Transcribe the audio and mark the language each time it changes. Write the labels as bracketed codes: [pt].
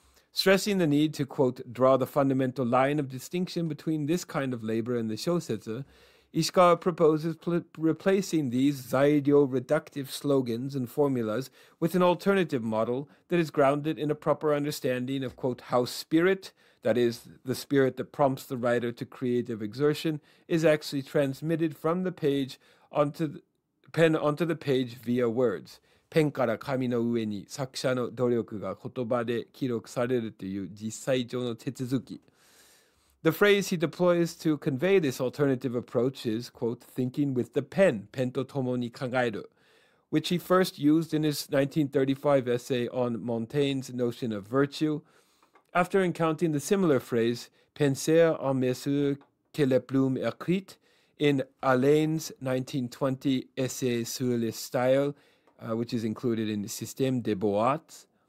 [en] Stressing the need to, quote, draw the fundamental line of distinction between this kind of labor and the shōsetsu, Ishikawa proposes replacing these zaidyo reductive slogans and formulas with an alternative model that is grounded in a proper understanding of, quote, how spirit, that is, the spirit that prompts the writer to creative exertion, is actually transmitted from the page onto the pen onto the page via words. [ja] ペンから紙の上に作者の努力が言葉で記録されるという実際上の手続き。 [en] The phrase he deploys to convey this alternative approach is, quote, thinking with the pen, [ja] ペンと共に考える。 [en] Which he first used in his 1935 essay on Montaigne's notion of virtue. After encountering the similar phrase, [fr] penser en mesure que la plume écrite, [en] in Alain's 1920 essay sur le style, which is included in Système des Beaux-Arts.